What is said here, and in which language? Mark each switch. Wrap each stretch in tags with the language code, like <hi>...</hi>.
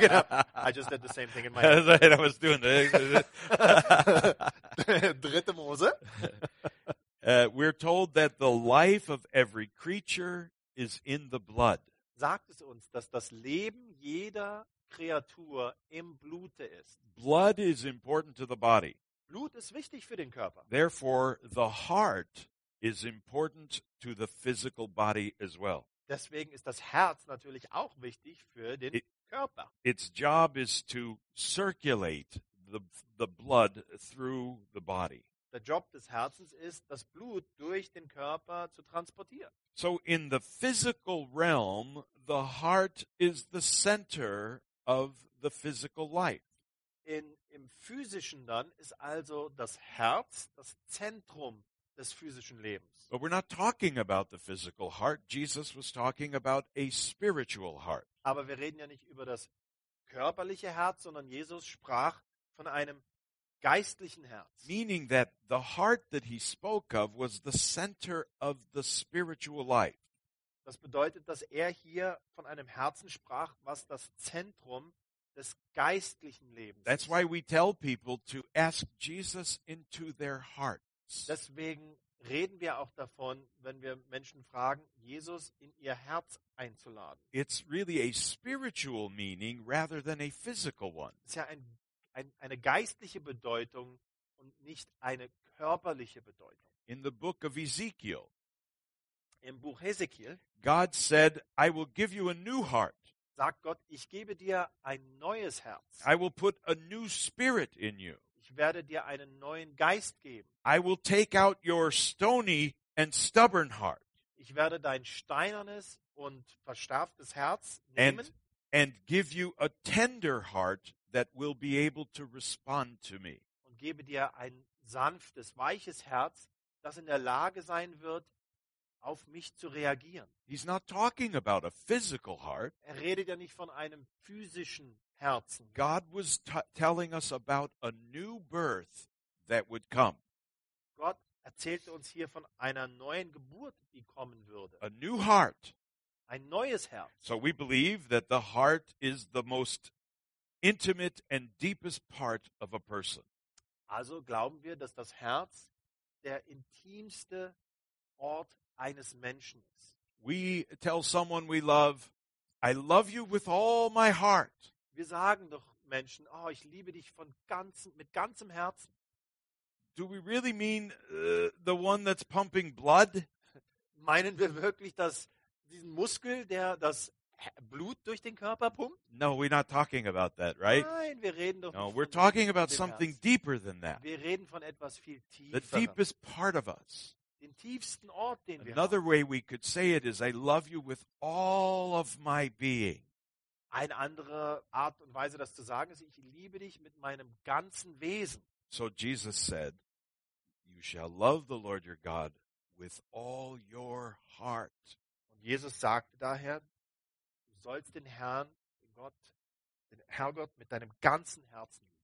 <en>Genau. I just did the same thing in my head. I was doing the</en> <de>Dritte Mose.</de> <en>We're told that the life of every creature is in the blood.</en> <de>Sagt es uns, dass das Leben jeder Kreatur im Blute ist.</de> <en>Blood is important to the body.</en> <de>Blut ist wichtig für den Körper.</de> <en>Therefore, the heart is important to the physical body as well.</en> <de>Deswegen ist das Herz natürlich auch wichtig für den Körper.</de> <en>Its job is to circulate the blood through the body.</en> <de>Der Job des Herzens ist, das Blut durch den Körper zu transportieren.</de> <en>So in the physical realm, the heart is the center of the physical life.</en> <de>Im physischen dann ist also das Herz das Zentrum des physischen Lebens.</de> <en>But we're not talking about the physical heart. Jesus was talking about a spiritual heart.</en> <de>Aber wir reden ja nicht über das körperliche Herz, sondern Jesus sprach von einem geistlichen Herz.</de> <en>Meaning that the heart that he spoke of was the center of the spiritual life.</en> <de>Das bedeutet, dass hier von einem Herzen sprach, was das Zentrum des geistlichen Lebens ist.</de> <en>That's why we tell people to ask Jesus into their hearts.</en> <de>Deswegen reden wir auch davon, wenn wir Menschen fragen, Jesus in ihr Herz einzuladen.</de> <en>It's really a spiritual meaning rather than a physical one.</en> <de>Es ist ja eine geistliche Bedeutung und nicht eine körperliche Bedeutung.</de> <en>In the book of Ezekiel,</en> <de>im Buch Ezekiel,</de> <en>God said, I will give you a new heart.</en> <de>Sagt Gott, ich gebe dir ein neues Herz.</de> <en>I will put a new spirit in you.</en> <de>Ich werde dir einen neuen Geist geben.</de> <en>I will take out your stony and stubborn heart.</en> <de>Ich werde dein steinernes und verstärftes Herz nehmen</de> <en>and give you a tender heart that will be able to respond to me.</en> <de>Und gebe dir ein sanftes, weiches Herz, das in der Lage sein wird, auf mich zu reagieren.</de> <en>He's not talking about a physical heart.</en> <de>Er redet ja nicht von einem physischen Herzen.</de> <en>God was telling us about a new birth that would come.</en> <de>Gott erzählte uns hier von einer neuen Geburt, die kommen würde.</de> <en>A new heart.</en> <de>Ein neues Herz.</de> <en>So we believe that the heart is the most intimate and deepest part of a person.</en> <de>Also glauben wir, dass das Herz der intimste Ort eines Menschen ist.</de> <en>We tell someone we love, I love you with all my heart.</en> <de>Wir sagen doch Menschen, oh, ich liebe dich mit ganzem Herzen.</de> <en>Do we really mean the one that's pumping blood?</en> <de>Meinen wir wirklich diesen Muskel, der das Blut durch den Körper pumpt?</de> <en>No, we're not talking about that, right?</en> <de>Nein, wir reden doch</de> <en>no, we're talking about something deeper than that.</en> <de>Wir reden von etwas viel tieferem.</de> <en>The deepest part of us.</en> <de>den tiefsten Ort, den</de> <en>wir another way we could say it is, I love you with all of my being.</en> <de>Eine andere Art und Weise, das zu sagen, ist, ich liebe dich mit meinem ganzen Wesen.</de> <en>So Jesus said, you shall love the Lord your God with all your heart.</en> <de>Und Jesus sagte daher, du sollst den Herrn, den Gott, den Herrgott mit deinem ganzen Herzen lieben.</de>